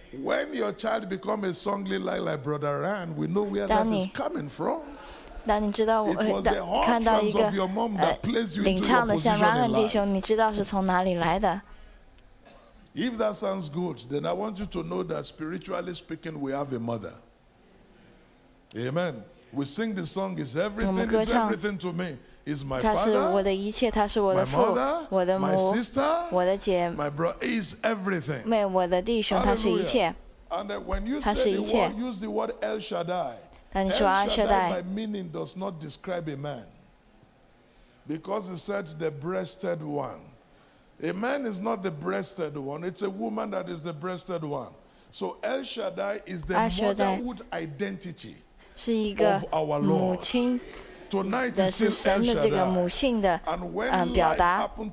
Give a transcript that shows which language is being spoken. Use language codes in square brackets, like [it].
[en] When your child become a song leader like Brother Ryan, we know where that is coming from. [zh] 当你知道我看到一个领唱的像 Ryan 弟兄，你知道是从哪里来的。 [en] If that sounds good, then I want you to know that spiritually speaking, we have a mother. Amen. We sing the song, is everything, is everything to me. Is my father, my mother, my sister, my brother, is everything. Hallelujah. And when you say the word, use the word El Shaddai. El Shaddai, by meaning, does not describe a man. Because it said the breasted one. A man is not the breasted one. It's a woman that is the breasted one. So El Shaddai is the motherhood identity. [zh] 是一个母亲的是神的这个母性的表达